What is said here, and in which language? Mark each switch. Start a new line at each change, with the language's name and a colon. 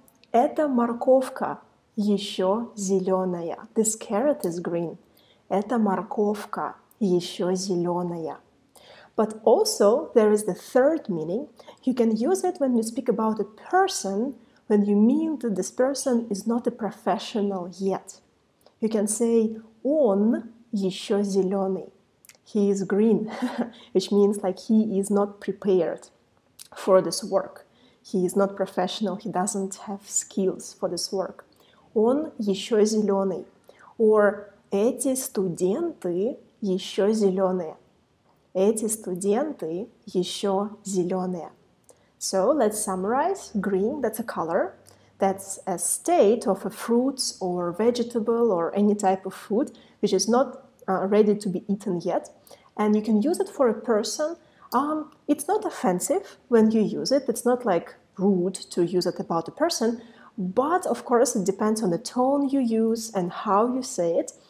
Russian: Эта морковка ещё зелёная.
English: This carrot is green.
Russian: Эта морковка ещё зелёная.
English: But also there is the third meaning. You can use it when you speak about a person. When you mean that this person is not a professional yet, you can say
Russian: он ещё зелёный.
English: He is green, which means like he is not prepared for this work. He is not professional. He doesn't have skills for this work.
Russian: Он ещё зелёный.
English: Or
Russian: эти студенты ещё зелёные. Эти студенты ещё зелёные.
English: So let's summarize. Green, that's a color. That's a state of a fruit or vegetable or any type of food which is not ready to be eaten yet. And you can use it for a person. It's not offensive when you use it. It's not like rude to use it about a person. But of course, it depends on the tone you use and how you say it.